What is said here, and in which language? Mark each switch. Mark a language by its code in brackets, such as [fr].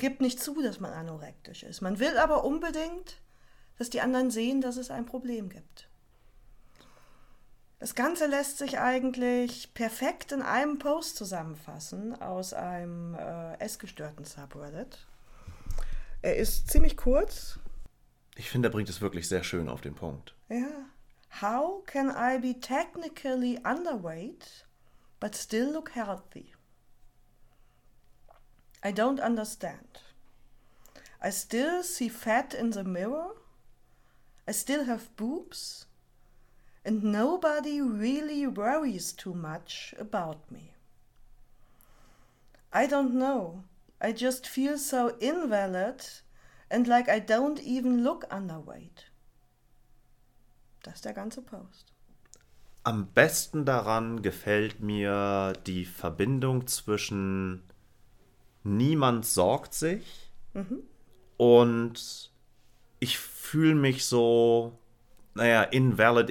[de] gibt nicht zu, dass man anorektisch ist. Man will aber unbedingt, dass die anderen sehen, dass es ein Problem gibt. Das Ganze lässt sich eigentlich perfekt in einem Post zusammenfassen aus einem essgestörten Subreddit. Er ist ziemlich kurz. ich finde, er bringt es wirklich sehr schön auf den Punkt. Ja. [en] How can I be technically underweight, but still look healthy? I don't understand. I still see fat in the mirror. I still have boobs. And nobody really worries too much about me. I don't know. I just feel so invalid and like I don't even look underweight. [de] Das ist der ganze Post. Am besten daran gefällt mir die Verbindung zwischen niemand sorgt sich und ich fühle mich so, naja, invalid.